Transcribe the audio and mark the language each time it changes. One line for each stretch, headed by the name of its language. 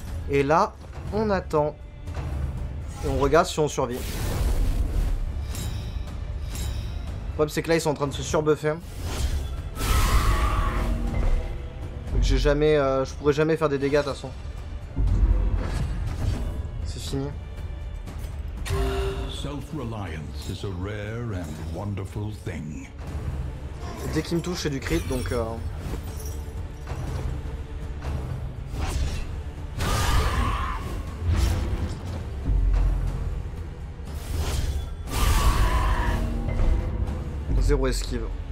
French: Et là, on attend. Et on regarde si on survit. Le problème, c'est que là, ils sont en train de se surbuffer. Donc, j'ai jamais, je pourrais jamais faire des dégâts, de toute façon. C'est fini.
English: Self-reliance is a rare and wonderful thing.
French: Dès qu'il me touche, c'est du crit, donc... Zéro esquive.